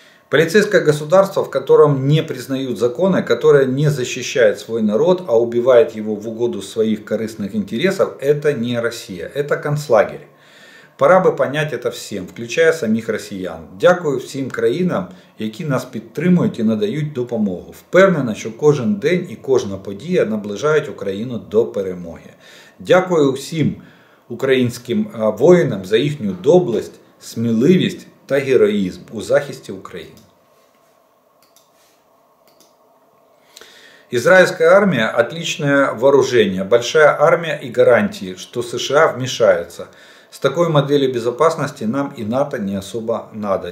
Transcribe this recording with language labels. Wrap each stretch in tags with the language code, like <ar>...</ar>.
<ru>Полицейское государство, в котором не признают законы, которое не защищает свой народ, а убивает его в угоду своих корыстных интересов, это не Россия. Это концлагерь. Пора бы понять это всем, включая самих росіян.</ru> <uk>Дякую всім країнам, які нас підтримують і надають допомогу. Впевнена, що кожен день і кожна подія наближають Україну до перемоги. Дякую всім українським воїнам за їхню доблесть, сміливість та героїзм у захисті України.</uk> <ru>Израильская армия – отличное вооружение, большая армия и гарантии, что США вмешаются. С такой моделью безопасности нам и НАТО не особо надо.</ru>